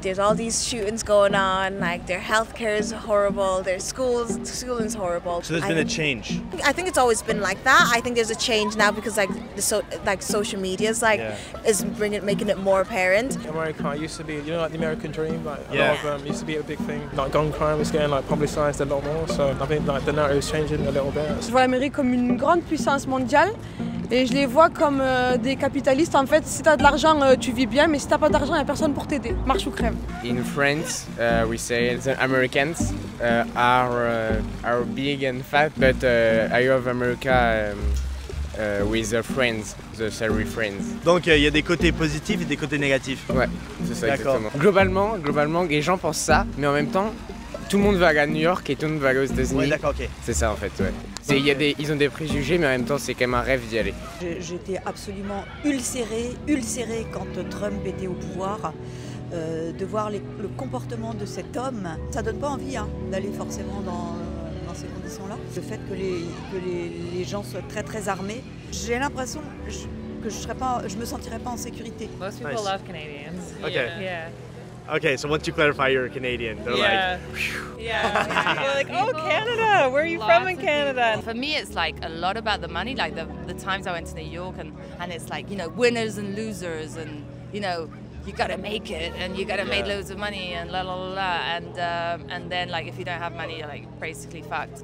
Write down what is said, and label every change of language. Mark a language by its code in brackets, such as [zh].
[en] There's all these shootings going on, like their healthcare is horrible, their schooling's horrible. So there's been a change. I think it's always been like that. I think there's a change now because like social media is like, yeah, is making it more apparent. America used to be, you know, like the American dream, like a, yeah, lot of them used to be a big thing. Like gun crime was getting like publicized a lot more, so I think like the narrative is changing a little bit. [fr] Je vois l'Amérique comme une grande puissance mondiale. Et je les vois comme des capitalistes. En fait, si t'as de l'argent, tu vis bien, mais si t'as pas d'argent, y'a personne pour t'aider. Marche ou crève. [en] In France, we say the Americans are big and fat, but I have America with the friends, the salary friends. [fr] Donc il y a des côtés positifs et des côtés négatifs. Ouais, c'est ça. D'accord. Exactement. Globalement, les gens pensent ça, mais en même temps, tout le monde va à New York et tout le monde va aux États-Unis. Ouais, d'accord, ok. C'est ça en fait, ouais. C'est, okay. Ils ont des préjugés, mais en même temps, c'est quand même un rêve d'y aller. J'étais absolument ulcérée quand Trump était au pouvoir, de voir le comportement de cet homme. Ça donne pas envie, hein, d'aller forcément dans ces conditions-là. Le fait que les gens soient très très armés, j'ai l'impression, que je serais pas, je me sentirais pas en sécurité. [en] Most people love Canadians. Okay. Yeah. Okay, so once you clarify you're a Canadian, they're yeah. like, yeah, yeah. You're like, oh, Canada, where are you from in Canada? For me, it's like a lot about the money, like the times I went to New York and it's like, you know, winners and losers and, you know, you gotta make it, and you gotta make loads of money, and la la la la, and then like if you don't have money, you're like basically fucked.